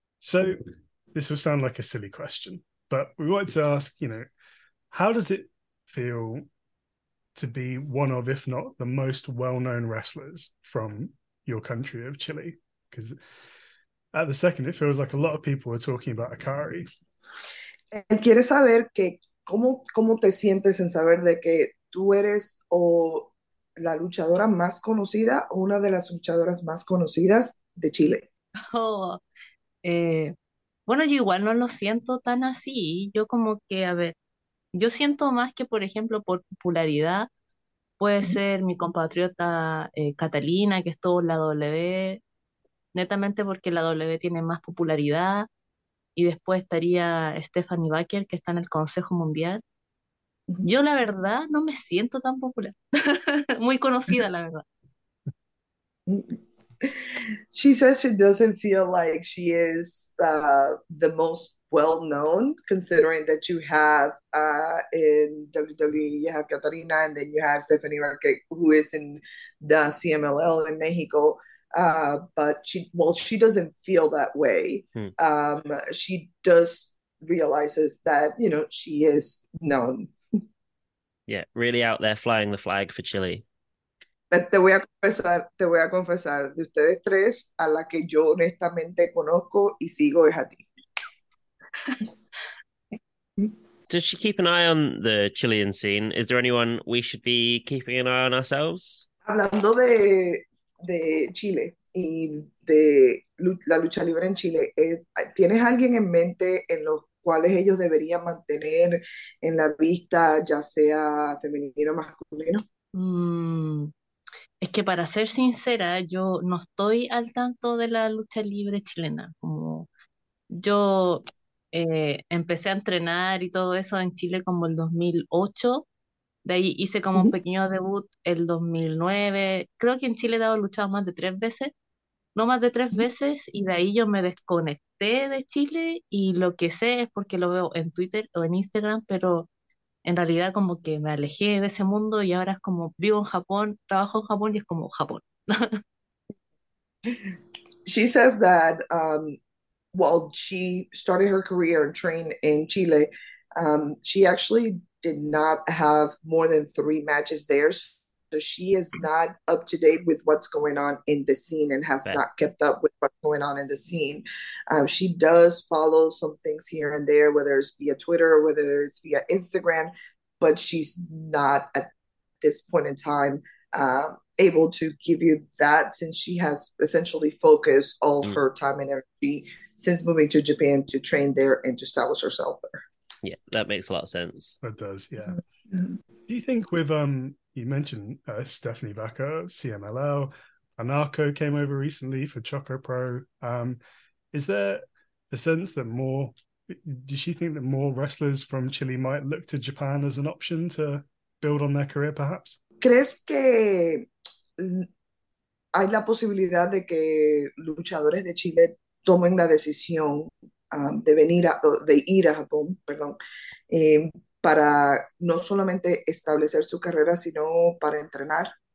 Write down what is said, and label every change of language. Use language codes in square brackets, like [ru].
[en] So this will sound like a silly question, but we wanted to ask, you know, how does it feel to be one of, if not the most well-known wrestlers from your country of Chile? Because at the second, it feels like a lot of people are talking about AKARI. [es] Él quiere saber que cómo te sientes en saber de que tú eres o la luchadora más conocida o una de las luchadoras más conocidas de Chile. Bueno, yo igual no lo siento tan así. Yo como que, a ver, yo siento más que, por ejemplo, por popularidad, puede ser mi compatriota Catalina, que estuvo en la W, netamente porque la W tiene más popularidad, y después estaría Stephanie Baker, que está en el Consejo Mundial. Yo, la verdad, no me siento tan popular. Muy conocida, la verdad. [en] She says she doesn't feel like she is the most well-known, considering that you have in WWE, you have Catarina, and then you have Stephanie Marquez, who is in the CMLL in Mexico. But she doesn't feel that way. She does realizes that, you know, she is known. Yeah, really out there flying the flag for Chile. [es] Te voy a confesar, de ustedes tres, a la que yo honestamente conozco y sigo es a ti. [en] Does she keep an eye on the Chilean scene? Is there anyone we should be keeping an eye on ourselves? [es] Hablando de Chile y de la lucha libre en Chile, ¿tienes alguien en mente en los cuales ellos deberían mantener en la vista, ya sea femenino o masculino? Es que para ser sincera, yo no estoy al tanto de la lucha libre chilena. Como yo empecé a entrenar y todo eso en Chile como el 2008. De ahí hice como un pequeño debut el 2009. Creo que en Chile he luchado más de tres veces. No más de tres veces. Y de ahí yo me desconecté de Chile. Y lo que sé es porque lo veo en Twitter o en Instagram, pero en realidad como que me alejé de ese mundo y ahora es como vivo en Japón, trabajo en Japón y es como Japón. [en] She says that while she started her career and trained in Chile, she actually did not have more than three matches there. So she is not up to date with what's going on in the scene and has not kept up with what's going on in the scene. She does follow some things here and there, whether it's via Twitter or whether it's via Instagram, but she's not at this point in time able to give you that, since she has essentially focused all her time and energy since moving to Japan to train there and to establish herself there. Yeah, that makes a lot of sense. It does, yeah. Do you think with, you mentioned Stephanie Baker, CMLL, Anarco came over recently for Choco Pro. Is there a sense that more, does she think that more wrestlers from Chile might look to Japan as an option to build on their career, perhaps? [es] ¿Crees que hay la posibilidad de que luchadores de Chile tomen la decisión de ir a Japón, para no solamente establecer su carrera, sino para entrenar?